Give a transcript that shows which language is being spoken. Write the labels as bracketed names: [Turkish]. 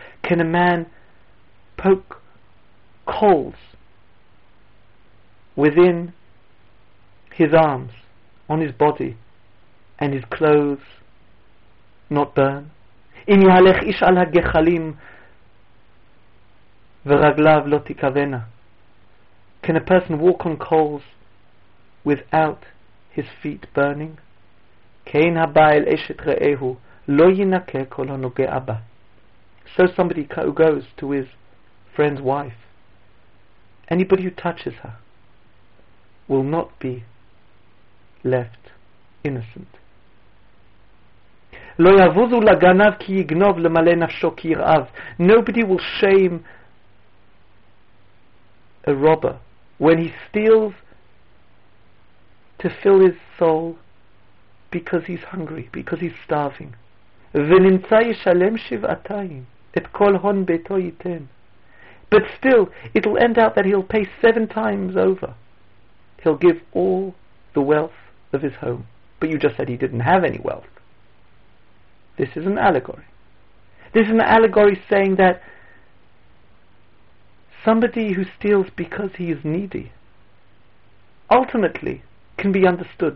[English] Can a man poke coals within his arms, on his body, and his clothes not burn? [Hebrew] In yalech ish al hagechalim ורגליו לא תיכוונה. [English] Can a person walk on coals without his feet burning? [Hebrew] כן הבעל אשת רעהו לא ינקה כל הנוגע בה. [English] So somebody who goes to his friend's wife, anybody who touches her, will not be left innocent. [Hebrew] לא יבוזו לגנב כי יגנוב למלא נפשו כי ירעב. [English] Nobody will shame a robber when he steals to fill his soul because he's hungry, because he's starving. [Hebrew] ונמצא ישלם שבעתיים את כל הון ביתו ייתן. [English] But still, it'll end out that he'll pay 7 times over. He'll give all the wealth of his home. But you just said he didn't have any wealth. This is an allegory. This is an allegory saying that somebody who steals because he is needy ultimately can be understood.